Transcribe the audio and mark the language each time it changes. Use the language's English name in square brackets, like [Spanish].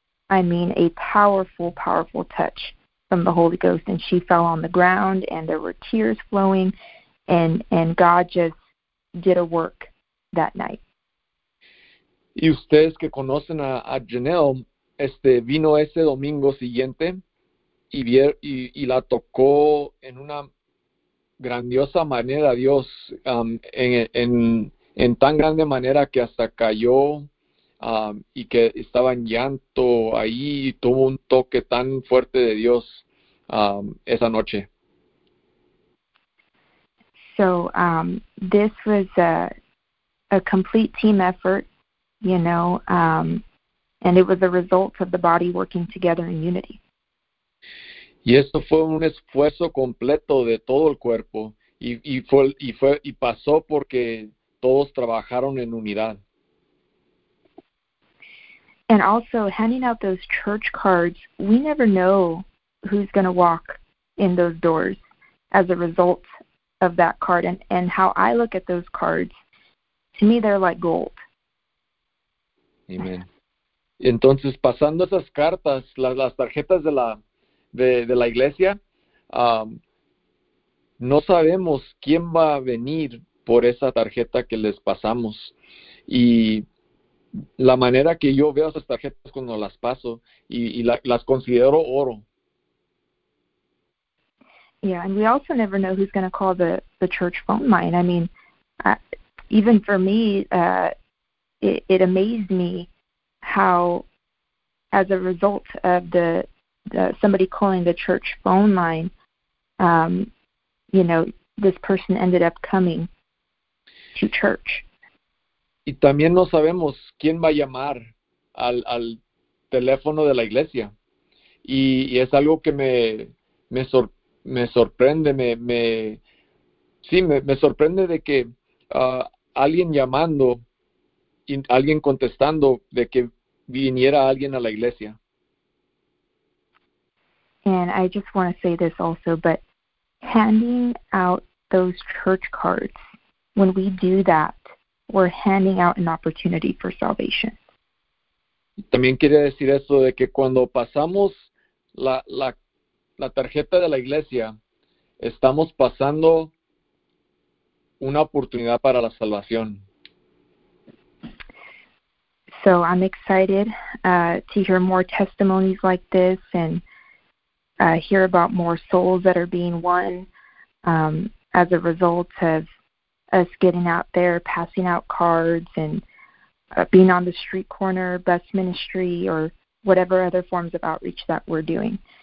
[English] I mean, a powerful, powerful touch from the Holy Ghost, and she fell on the ground, and there were tears flowing, and God just did a work that night. [Spanish] Y ustedes que conocen a Janelle, vino ese domingo siguiente y la tocó en una grandiosa manera Dios, en tan grande manera que hasta cayó y que estaba en llanto ahí y tuvo un toque tan fuerte de Dios esa noche. [English] So this was a complete team effort, you know, and it was a result of the body working together in unity. [Spanish] Y esto fue un esfuerzo completo de todo el cuerpo y pasó porque todos trabajaron en unidad. [English] And also handing out those church cards, we never know who's going to walk in those doors as a result of that card. And how I look at those cards, to me they're like gold. Amen. [Spanish] Entonces pasando esas cartas, las tarjetas de la iglesia, no sabemos quién va a venir por esa tarjeta que les pasamos. Y la manera que yo veo esas tarjetas cuando las paso las considero oro. [English] Yeah, and we also never know who's going to call the church phone line. I mean, even for me, it amazed me how, as a result of the somebody calling the church phone line, you know, this person ended up coming to church. [Spanish] Y también no sabemos quién va a llamar al teléfono de la iglesia. Y es algo que me sorprende de que alguien llamando y alguien contestando de que viniera alguien a la iglesia. [English] And I just want to say this also, but handing out those church cards, when we do that, we're handing out an opportunity for salvation. [Spanish] También quería decir eso de que cuando pasamos la tarjeta de la iglesia, estamos pasando una oportunidad para la salvación. [English] So I'm excited to hear more testimonies like this and hear about more souls that are being won as a result of us getting out there, passing out cards, and being on the street corner, bus ministry, or whatever other forms of outreach that we're doing.